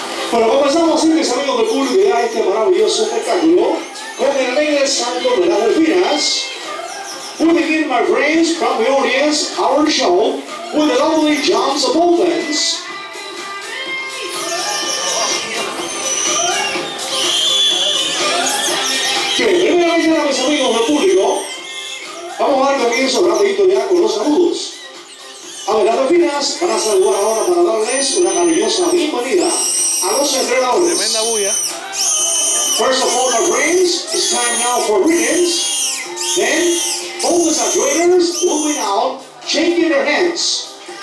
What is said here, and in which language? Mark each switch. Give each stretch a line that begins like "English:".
Spanish: Bueno, comenzamos así, mis amigos de Cuba, a este maravilloso espectáculo con el rey del salto de las delfinas.
English: We begin, my friends, from the audience, our show, with the lovely jumps of dolphins.
Spanish: Bien, primeramente a mis amigos del público, vamos a dar comienzo rapidito ya con los saludos. A ver, las delfinas van a saludar ahora para darles una cariñosa bienvenida a los entrenadores. Tremenda bulla.
English: First of all, my friends, it's time now for greetings. Then, all the saturators moving out, shaking their hands.